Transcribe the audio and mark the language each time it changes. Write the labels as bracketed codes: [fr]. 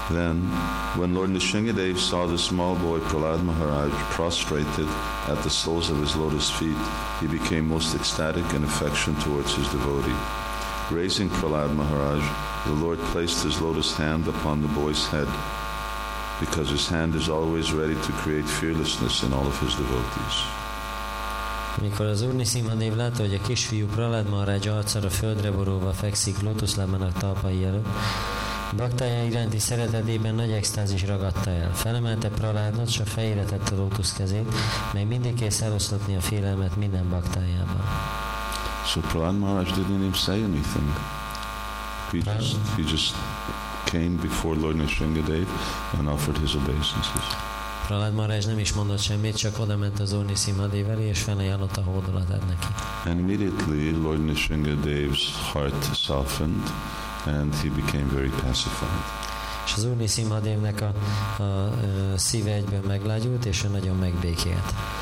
[en] Then, when Lord Nrisimhadev saw the small boy Prahlad Maharaj prostrated at the soles of his lotus feet, he became most ecstatic in affection towards his devotee. Raising Prahlad Maharaj, the Lord placed his lotus hand upon the boy's head, because his hand is always ready to create fearlessness in all of his devotees. [hu] Mikor az Úr Nrisimhadev látta, hogy a kisfiú Prahlad Maharaj arcára földre borulva fekszik lotuszlábán a talpai előtt, baktája iránti szeretetében nagy extázis ragadta el. Felemelte Prahladot, s a fejére tette a lotusz kezét, mely mindig kész eloszlatni a félelmet minden baktájában. [en] So Prahlad Maharaj didn't even say anything. He just came before Lord Nrisimhadev and offered his obeisances. [hu] Prahlad Maharaj nem is mondott semmit, csak odament az Úr Nrisimhadev elé, és felajánlott a hódolatát neki. [en] And immediately Lord Nrisimhadev's heart softened and he became very pacified. [hu] És az Úr Nrisimhadevnek a szíve egyből meglágyult, és ő nagyon megbékélt.